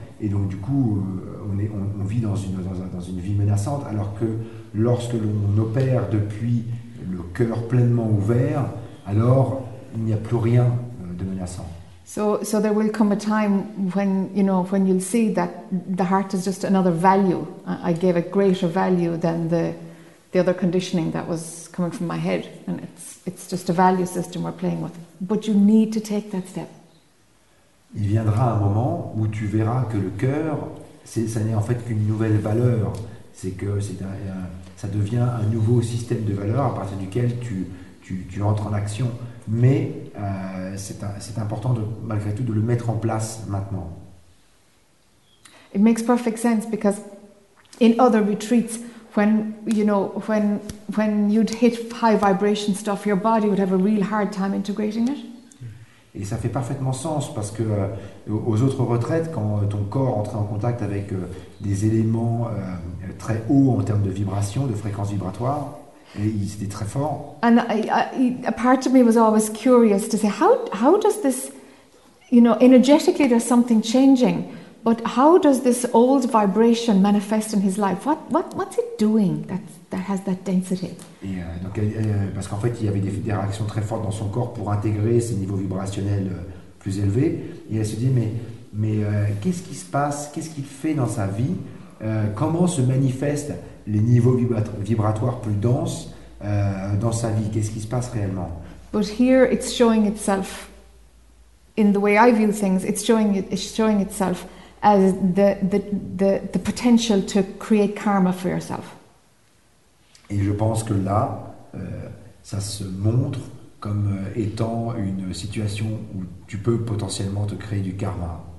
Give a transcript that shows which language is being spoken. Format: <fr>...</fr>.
<fr>Et donc, du coup, on vit dans une vie menaçante, alors que lorsque l'on opère depuis le cœur pleinement ouvert, alors il n'y a plus rien de menaçant.</fr> <en>So there will come a time when, you know, when you'll see that the heart is just another value. I gave a greater value than the other conditioning that was coming from my head, and it's just a value system we're playing with. But you need to take that step.</en> <fr>Il viendra un moment où tu verras que le cœur, ça n'est en fait qu'une nouvelle valeur. Ça devient un nouveau système de valeurs à partir duquel tu entres en action. Mais c'est important de, malgré tout, de le mettre en place maintenant.</fr> <en>It makes perfect sense because in other retreats, when you know when you'd hit high vibration stuff, your body would have a real hard time integrating it.</en> <fr>Et ça fait parfaitement sens parce que aux autres retraites, quand ton corps entrait en contact avec des éléments très hauts en termes de vibration, de fréquence vibratoire. Et il était très fort.</fr> <en>And a part of me was always curious to say how does this, you know, energetically there's something changing, but how does this old vibration manifest in his life? What's it doing that has that density?</en> <fr>Et donc parce qu'en fait il y avait des réactions très fortes dans son corps pour intégrer ces niveaux vibrationnels plus élevés. Et elle se dit mais qu'est-ce qui se passe? Qu'est-ce qu'il fait dans sa vie? Comment se manifeste les niveaux vibratoires plus denses dans sa vie? Qu'est-ce qui se passe réellement?</fr> <en>But here it's showing itself in the way I view things, it's showing itself as the potential to create karma for yourself.</en> <fr>Et je pense que là ça se montre comme étant une situation où tu peux potentiellement te créer du karma.</fr>